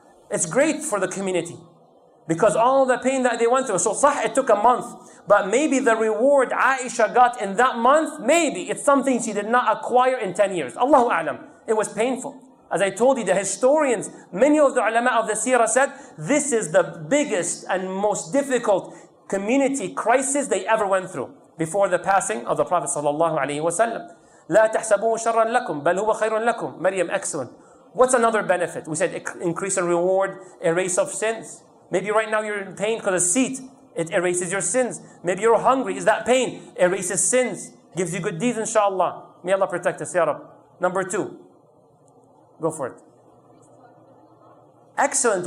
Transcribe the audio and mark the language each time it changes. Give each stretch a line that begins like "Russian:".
English: It's great for the community, because all the pain that they went through, so sah, it took a month, but maybe the reward Aisha got in that month, maybe it's something she did not acquire in 10 years. Allahu A'lam. It was painful. As I told you, the historians, many of the ulama of the seerah said, this is the biggest and most difficult community crisis they ever went through before the passing of the Prophet sallallahu alayhi wa sallam.
Arabic: لا تحسبوه شرا لكم بل هو خير لكم.
English: Maryam, excellent. What's another benefit? We said increase in reward, erase of sins. Maybe right now you're in pain because a seat, it erases your sins. Maybe you're hungry. Is that pain? Erases sins. Gives you good deeds, inshallah. May Allah protect us, ya Rabb. Number two, go for it. Excellent.